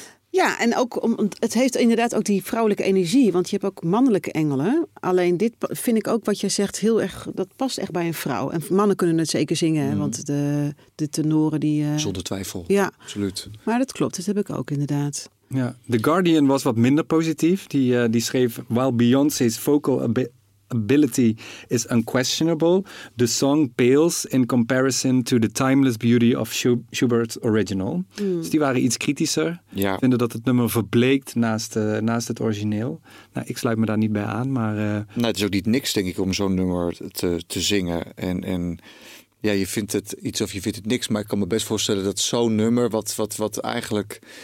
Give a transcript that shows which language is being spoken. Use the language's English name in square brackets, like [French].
[Dutch] Ja, en ook het heeft inderdaad ook die vrouwelijke energie. Want je hebt ook mannelijke engelen. Alleen dit vind ik ook wat jij zegt heel erg... Dat past echt bij een vrouw. En mannen kunnen het zeker zingen. Mm. Want de tenoren die... Zonder twijfel. Ja. Absoluut. Maar dat klopt. Dat heb ik ook inderdaad. Ja. The Guardian was wat minder positief. Die schreef... [English] While Beyoncé's vocal ability is unquestionable, the song pales in comparison to the timeless beauty of Schubert's original. [Dutch] Mm. Dus die waren iets kritischer. Ja. Vinden dat het nummer verbleekt naast het origineel. Nou, ik sluit me daar niet bij aan, maar... Het is ook niet niks, denk ik, om zo'n nummer te zingen. En ja, je vindt het iets of je vindt het niks, maar ik kan me best voorstellen dat zo'n nummer, wat eigenlijk...